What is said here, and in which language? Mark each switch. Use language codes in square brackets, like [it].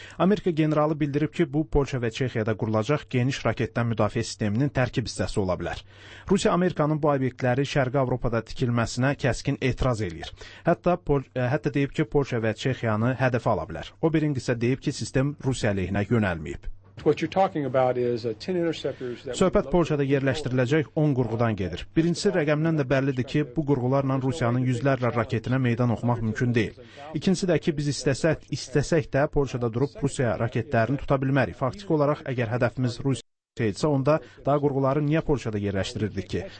[az] Amerika generalı bildirib ki, bu Polşa və Çexiyada qurulacaq geniş raketdən müdafiə sisteminin tərkib hissəsi ola bilər. Rusiya Amerikanın bu obyektləri Şərqi Avropada tikilməsinə kəskin etiraz eləyir. Hətta deyib ki, Polşa və Çexiyanı hədəfə ala bilər. Obering isə deyib ki, sistem Rusiya əleyhinə yönəlməyib. [en] What you're talking about is a 10 interceptors that [az] Söhbət Polşada yerləşdiriləcək 10 qurğudan gedir. Birincisi rəqəmdən də bəllidir ki, bu qurğularla Rusiyanın yüzlərlə raketinə meydan oxumaq mümkün deyil. İkincisi də ki, biz istəsək də Polşada durub Rusiya raketlərini tuta bilmərik. Faktiki olaraq əgər hədəfimiz Rusiya isə onda daha qurğuları niyə Polşada yerləşdirirdik ki?